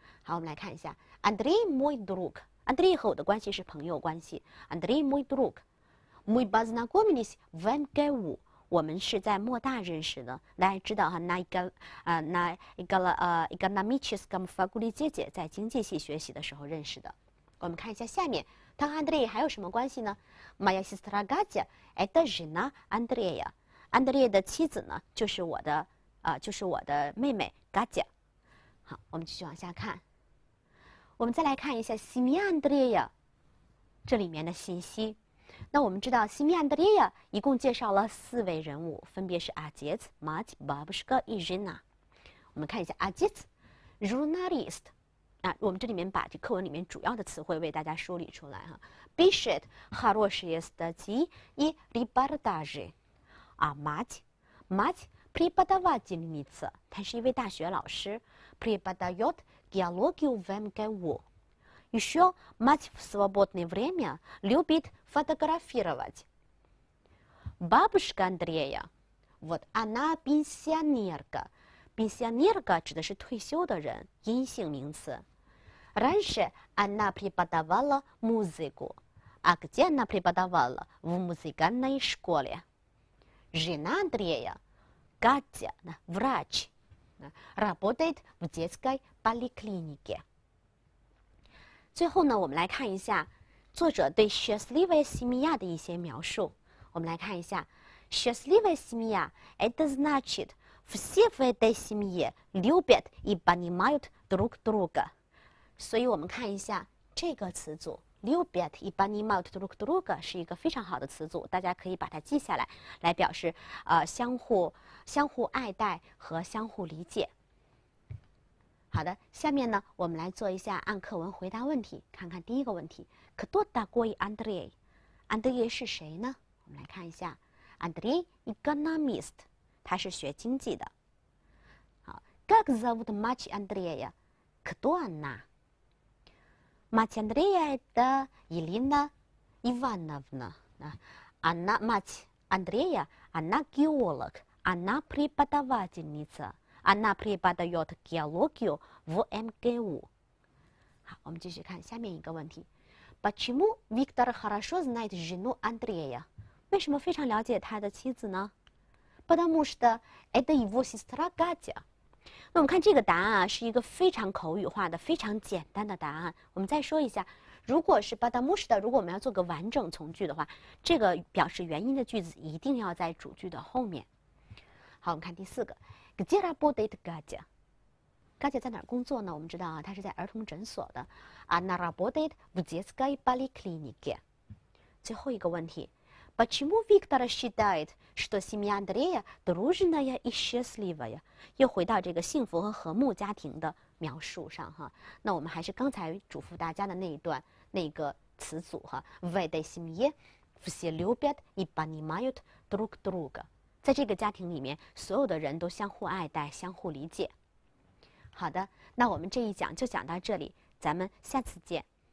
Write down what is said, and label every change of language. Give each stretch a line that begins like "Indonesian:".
Chinese: 好，我们来看一下
Russian: Андрей мой друг，
Chinese: Андрей 和我的关系是朋友关系， Андрей мой друг。
Russian: Мы познакомились в МГУ，
Chinese: 我们是在莫大认识的。大家知道哈，
Russian: экономическом факультете
Chinese: 在经济系学习的时候认识的。我们看一下下面，他和 Андрей 还有什么关系呢？
Russian: Моя сестра Гадя это жена Андрея，
Chinese: Андрея 的妻子呢就是我的妹妹 Гадя。好，我们继续往下看，我们再来看一下
Russian: семья Андрея
Chinese: 这里面的信息。那我们知道 семья Андрея 一共介绍了四位人物，分别是
Russian: отец, мать, бабушка и жена。
Chinese: 我们看一下
Russian: отец журналист，
Chinese: 我们这里面把这课文里面主要的词汇为大家梳理出来哈。
Russian: пишет хорошие статьи и репортажи。
Chinese: 啊，
Russian: мать преподавательница，
Chinese: 她是一位大学老师，
Russian: преподает геологию в МГУ。 Еще мать в свободное время любит фотографировать. Бабушка Андрея, вот она пенсионерка. Пенсионерка
Chinese: 指的是退休的人，阴性名词。
Russian: Раньше она преподавала музыку. А где она преподавала? В музыкальной школе. Жена Андрея, Катя, врач. работает в детской поликлинике.
Chinese: 最后呢，我们来看一下作者对
Russian: счастливая семья
Chinese: 的一些描述。我们来看一下
Russian: счастливая семья это значит все в этой семье любят и понимают друг друга.
Chinese: 所以我们看一下这个词组
Russian: Любят и понимают друг друга
Chinese: 是一个非常好的词组，大家可以把它记下来，来表示相互爱戴和相互理解。好的，下面呢，我们来做一下按课文回答问题，看看第一个问题 ：
Russian: Кто такой Андрей？
Chinese: Андрей 是谁呢？我们来看一下 ，
Russian: Андрей экономист，
Chinese: 他是学经济的。
Russian: 好 ，Как зовут мать Андрея？ Кто она？ Мать Андрея это Елена Ивановна. Она, мать Андрея, она геолог. Она преподавательница. Она преподает геологию в МГУ.
Chinese: 好，我们继续看下面一个问题。
Russian: Почему Виктор хорошо знает жену Андрея?
Chinese: 为什么非常了解他的妻子呢?
Russian: Потому что это его сестра Катя.
Chinese: 那我们看这个答案啊，是一个非常口语化的、非常简单的答案。我们再说一下，如果是 Badamush 的，如果我们要做个完整从句的话，这个表示原因的句子一定要在主句的后面。好，我们看第四个 ，
Russian: Где работает Катя？
Chinese: Катя 在哪儿工作呢？我们知道啊，她是在儿童诊所的。
Russian: Она работает в детской поликлинике。
Chinese: 最后一个问题 ，
Russian: Почему Виктор считает？ что семья Андрея дружная и счастливая，
Chinese: 又回到这个幸福和和睦家庭的描述上哈。那我们还是刚才嘱咐大家的那一段那个词组哈 ，
Russian: в этой семье все любят и понимают друг друга，
Chinese: 在这个家庭里面，所有的人都相互爱戴、相互理解。好的，那我们这一讲就讲到这里，咱们下次见。